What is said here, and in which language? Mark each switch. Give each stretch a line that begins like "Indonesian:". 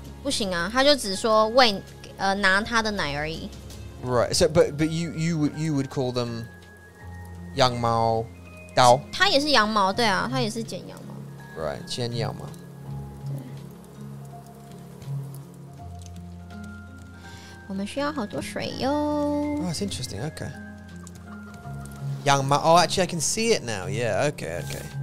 Chinese: 不行啊,他就只说喂,拿他的奶而已。
English: Right, so, but you would call them 羊毛刀?
Chinese: 他也是羊毛,对啊,他也是剪羊毛。 Right, 剪羊毛。我们需要好多水哟。
English: Oh, that's interesting, okay. 羊毛, oh, actually, I can see it now. Yeah, okay, okay.